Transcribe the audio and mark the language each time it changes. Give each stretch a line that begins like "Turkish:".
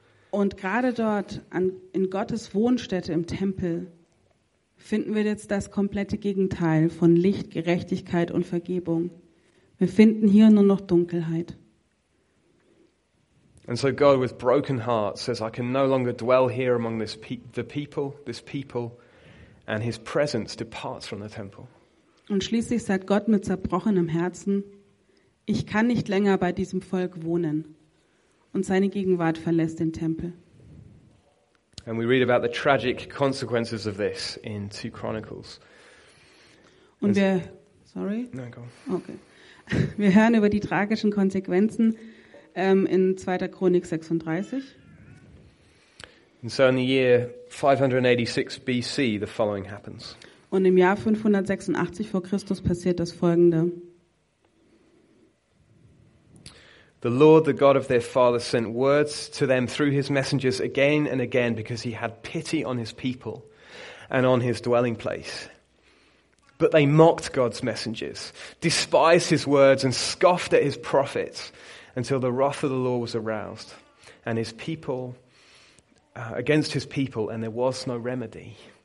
German: Und gerade dort, in Gottes Wohnstätte im Tempel, finden wir jetzt das komplette Gegenteil von Licht, Gerechtigkeit und Vergebung. Wir finden hier nur noch Dunkelheit.
English: And so God with broken heart says, I can no longer dwell here among this people, and his presence departs from the temple.
German: Und schließlich sagt Gott mit zerbrochenem Herzen, ich kann nicht länger bei diesem Volk wohnen. und seine Gegenwart verlässt den Tempel.
English: And we read about the tragic consequences of this in 2 Chronicles.
German: Und wir, sorry? Nein, go.
English: Okay.
German: Wir hören über die tragischen Konsequenzen in 2. Chronik 36.
English: And so in the year 586 BC, the following happens.
German: Und im Jahr 586 vor Christus passiert das Folgende.
English: The Lord, the God of their fathers, sent words to them through his messengers again and again, because he had pity on his people and on his dwelling place. But they mocked God's messengers, despised his words, and scoffed at his prophets, until the wrath of the Lord was aroused, and his people against his people, and there was no remedy.